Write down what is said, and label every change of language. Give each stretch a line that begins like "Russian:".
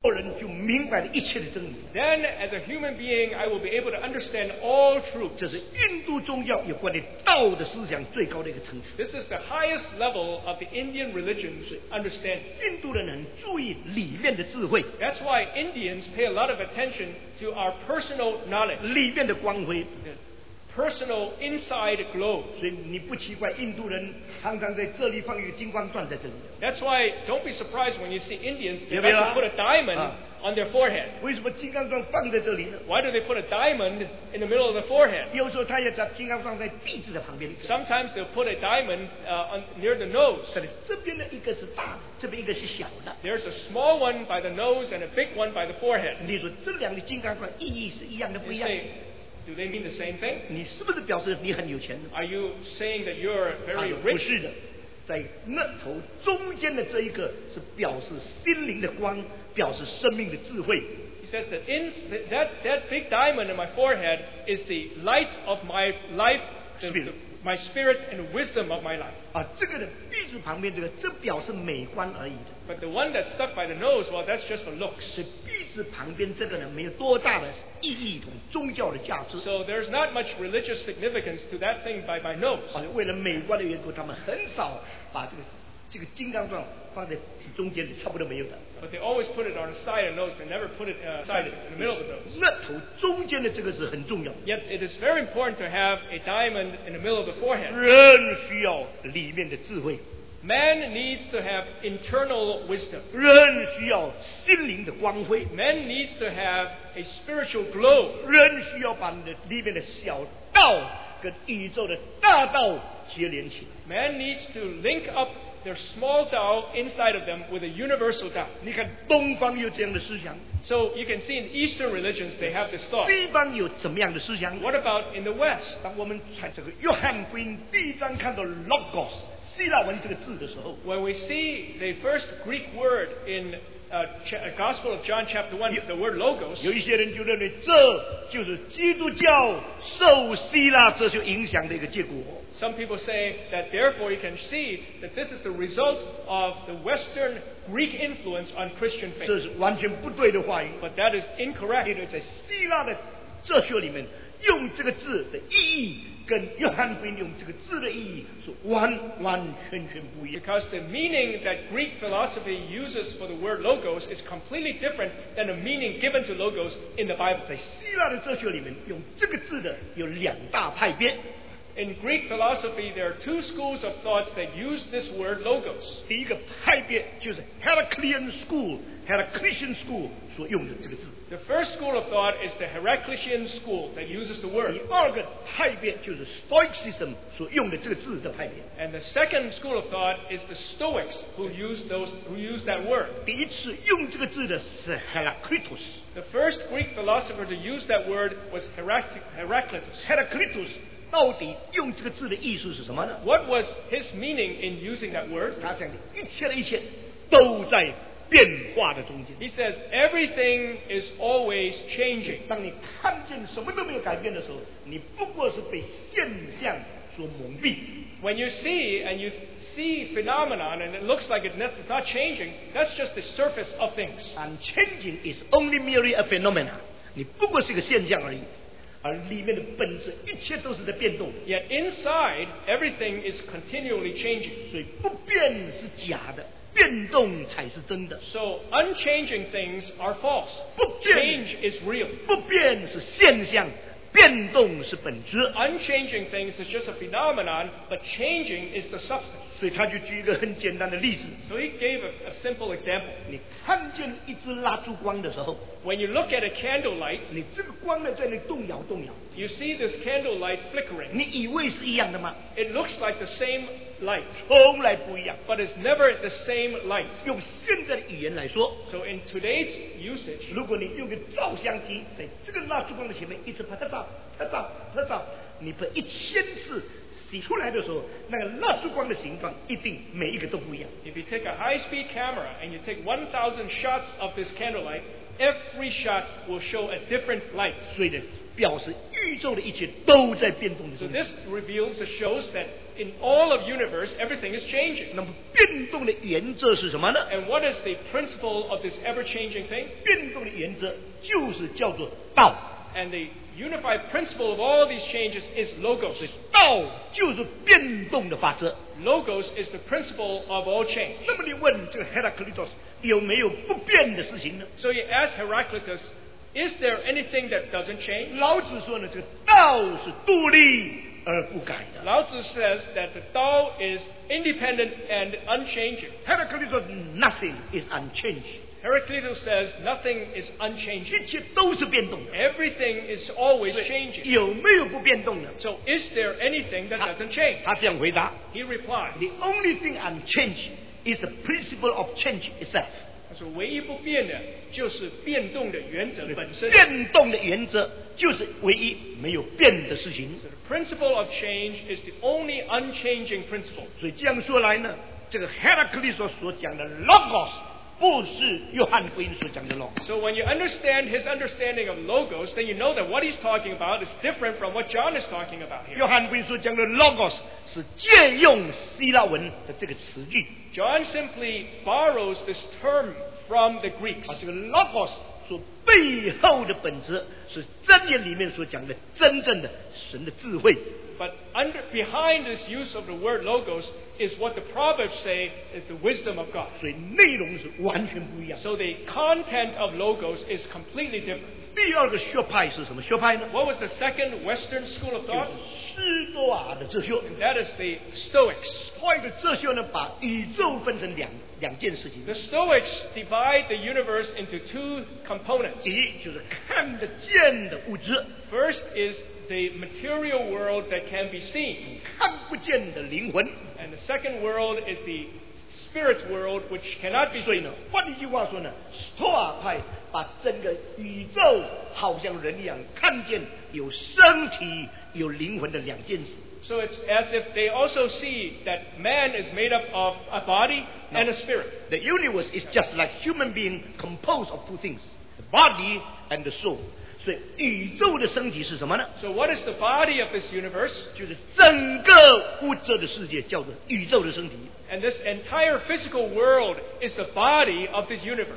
Chinese: 人就明白了一切的真理。
English: Then, as a human being, I will be able to understand all truth.
Chinese: 这是印度宗教有关于道的思想最高的一个层次。
English: This is the highest level of the Indian religion's understanding.
Chinese: 印度人很注意里面的智慧。
English: That's why Indians pay a lot of attention to our personal knowledge.
Chinese: 里面的光辉。
English: Personal inside glow.
Chinese: 所以你不奇怪印度人常常在这里放一个金光钻在这里。
English: That's why don't be surprised when you see Indians they like to put a diamond on their forehead.
Chinese: 为什么金光钻放在这里呢？
English: Why do they put a diamond in the middle of the forehead?
Chinese: 有时候他也把金光钻在鼻子的旁边。
English: Sometimes they'll put a diamond near the nose.
Chinese: 这边呢一个是大，这边一个是小的。
English: There's a small one by the nose and a big one by the forehead.
Chinese: 你说这两个金光钻意义是一样的不一样？
English: Do they mean the same thing?
Chinese: 你是不是表示你很有钱？
English: Are you saying that you're very rich?
Chinese: 不是的，在那头中间的这一个是表示心灵的光，表示生命的智慧。
English: He says that in that big diamond in my forehead is the light of my life, my spirit and wisdom of my life.
Chinese: 啊，这个的鼻子旁边这个，这表示美观而已的。
English: But the one that's stuck by the nose, well, that's just for looks.
Chinese: 鼻子旁边这个呢，没有多大的。意义同宗教的价值。
English: So there's not much religious significance to that thing by my nose.
Chinese: 为了美观的缘故，他们很少把这个金刚钻放在指中间，差不多没有的。
English: But they always put it on the side of the nose. They never put it side in the middle of the nose.
Chinese: 那头中间的这个是很重要的。
English: Yet it is very important to have a diamond in the middle of the forehead.
Chinese: 人需要里面的智慧。
English: Man needs to have internal wisdom.
Chinese: 人需要心灵的光辉。
English: Man needs to have a spiritual glow.
Chinese: 人需要把里面的小道跟宇宙的大道结连起来。
English: Man needs to link up their small Tao inside of them with a universal Tao.
Chinese: 你看东方有这样的思想。
English: So you can see in Eastern religions they have this thought.
Chinese: 西方有怎么样的思想？
English: What about in the West?
Chinese: 当我们在这个约翰福音第一章看到 Logos。
English: When we see the first Greek word in Gospel of John chapter 1, the word logos,
Chinese: 有一些人就认为这就是基督教受希腊哲学影响的一个结果。
English: Some people say that therefore you can see that this is the result of the Western Greek influence on Christian faith.
Chinese: 这是完全不对的话语。
English: But that is incorrect.
Chinese: 因为在希腊的哲学里面用这个字的意义跟约翰福音用这个字的意义是完完全全不一样。
English: Because the meaning that Greek philosophy uses for the word logos is completely different than the meaning given to logos in the Bible.
Chinese: 在希腊的哲学里面，用这个字的有两大派别。
English: In Greek philosophy, there are two schools of thoughts that use this word logos.
Chinese: 第一个派别就是 Heraclean school, Heraclean school 所用的这个字。
English: The first school of thought is the Heraclean school that uses the word.
Chinese: 第二个派别就是 Stoicism 所用的这个字的派别。
English: And the second school of thought is the Stoics who use that word.
Chinese: 第一次用这个字的是 Heraclitus.
English: The first Greek philosopher to use that word was Heraclitus. Heraclitus.
Chinese: 到底用这个字的意思是什么呢？
English: What was his meaning in using that word?
Chinese: 他讲的一切的一切都在变化的中间。
English: He says everything is always changing.
Chinese: 当你看见什么都没有改变的时候，你不过是被现象所蒙蔽。
English: When you see and you see phenomenon and it looks like it's not changing, that's just the surface of things. And changing is only merely a phenomenon.
Chinese: 你不过是一个现象而已。而里面的本质，一切都是在变动。
English: Yet inside, everything is continually changing.
Chinese: 所以不变是假的，变动才是真的。
English: So unchanging things are false.
Chinese: 不变
English: change is real.
Chinese: 不变是现象，变动是本质。
English: Unchanging things is just a phenomenon, but changing is the substance.
Chinese: 所以他就举一个很简单的例子。
English: So he gave a simple example.
Chinese: 你看见一支蜡烛光的时候。
English: When you look at a candle light,
Chinese: 你这个光呢在那动摇动摇。
English: You see this candle light flickering.
Chinese: 你以为是一样的吗？
English: It looks like the same light.
Chinese: 从来不一样。
English: But it's never the same light.
Chinese: 用现在的语言来说。
English: So in today's usage,
Chinese: 如果你用个照相机在这个蜡烛光的前面一直拍它照，拍照，拍照，你拍一千次。出来的时候，那个蜡烛光的形状一定每一个都不一样。
English: If you take a high-speed camera and you take 1,000 shots of this candlelight, every shot will show a different light.
Chinese: 所以表示宇宙的一切都在变动。
English: So this reveals, it shows that in all of universe, everything is changing.
Chinese: 那么变动的原则是什么呢？
English: And what is the principle of this ever-changing thing?
Chinese: 变动的原则就是叫做道。
English: And the unified principle of all these changes is logos.
Chinese: 所以道就是变动的法则。
English: Logos is the principle of all change.
Chinese: 那么你问这个 Heraclitus 有没有不变的事情呢？
English: So you ask Heraclitus, is there anything that doesn't change?
Chinese: 老子说呢，这个道是独立。
English: Lao Tzu says that the Tao is independent and unchanging. Heraclitus says nothing is unchanged. Heraclitus says nothing is unchanging.
Chinese: 一切都是变动的。
English: Everything is always changing.
Chinese: 有没有不变动的？
English: So is there anything that doesn't change?
Chinese: 他这样回答。
English: He replies, the only thing unchanged is the principle of change itself.
Chinese: 他说唯一不变的就是变动的原则本身。变动的原则。就是唯一没有变的事情。
English: So、the principle of change is the only unchanging principle.
Chinese: 所以这样说来呢，这个 Heraclitus 所讲的 logos 不是约翰福音所讲的 logos。
English: So when you understand his understanding of logos, then you know that what he's talking about is different from what John is talking about here.
Chinese: 约翰福音所讲的 logos 是借用希腊文的这个词句。
English: John simply borrows this term from the Greeks.
Chinese: 这个 logos。所背后的本质是真言里面所讲的真正的神的智慧。
English: But under, behind this use of the word logos is what the proverbs say is the wisdom of God.
Chinese: 所以内容是完全不一样。
English: So the content of logos is completely different.
Chinese: 第二个学派是什么学派呢？
English: What was the second Western school of thought?
Chinese: 就是斯多亚的哲学。
English: And that is the Stoics.
Chinese: 所以的哲学呢，把宇宙分成两件事情。
English: The Stoics divide the universe into two components.
Chinese: 第一就是看得见的物质。
English: First is the material world that can be seen.
Chinese: 看不见的灵魂。
English: And the second world is the spirit world which cannot be seen.
Chinese: 所以呢，换一句话说呢，斯托亚派把整个宇宙好像人一样，看见有身体、有灵魂的两件事。
English: So it's as if they also see that man is made up of a body and a spirit. The universe is just like human being composed of two things, the body and the soul.
Chinese: 所以宇宙的身体是什么呢？
English: So what is the body of this universe?
Chinese: 就是整个物质的世界叫做宇宙的身体。
English: And this entire physical world is the body of this universe.